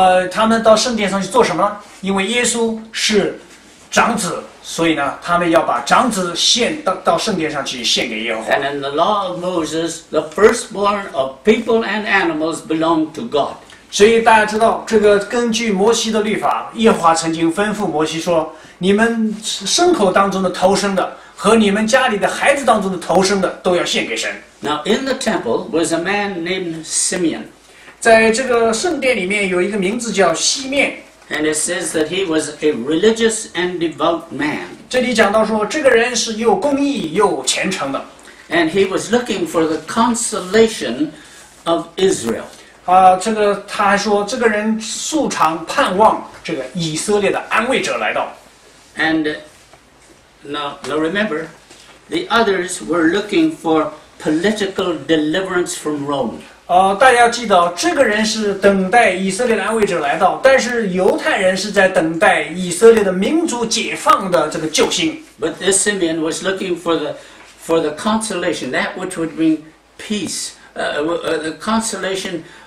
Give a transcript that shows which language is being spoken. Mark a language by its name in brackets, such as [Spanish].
[Chinese] 他们到圣殿上去做什么？因为耶稣是长子，所以呢，他们要把长子献到圣殿上去献给耶和华。 [English] And in the law of Moses, the firstborn of people and animals belong to God. [Chinese] 所以大家知道，这个根据摩西的律法，耶和华曾经吩咐摩西说：“你们牲口当中的头生的和你们家里的孩子当中的头生的都要献给神。” [English] Now in the temple was a man named Simeon. [Chinese] 在这个圣殿里面有一个名字叫西面。 [English] And it says that he was a religious and devout man. [Chinese] 这里讲到说，这个人是又公义又虔诚的。 [English] And he was looking for the consolation of Israel. [Chinese] 这个他还说，这个人素常盼望这个以色列的安慰者来到。 [English] And now remember, the others were looking for political deliverance from Rome. [Chinese] 大家记得，这个人是等待以色列的安慰者来到，但是犹太人是在等待以色列的民族解放的这个救星。 [English] But this Simeon was looking for the consolation, that which would bring peace, the consolation.